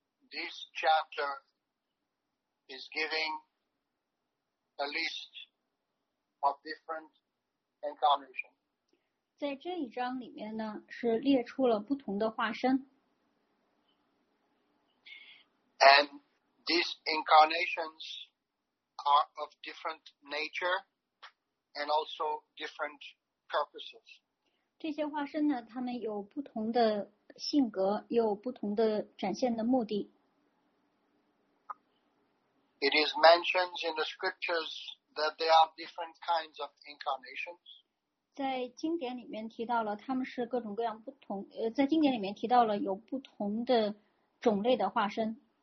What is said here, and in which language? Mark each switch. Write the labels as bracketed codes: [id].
[en] This chapter is giving a list of different incarnations. [zh] 在这一章里面呢，是列出了不同的化身。 [en] And these incarnations are of different nature and also different purposes. [zh] 这些化身呢，他们有不同的性格，有不同的展现的目的。 [en] It is mentioned in the scriptures that there are different kinds of incarnations. [zh] 在经典里面提到了他们是各种各样不同，在经典里面提到了有不同的种类的化身。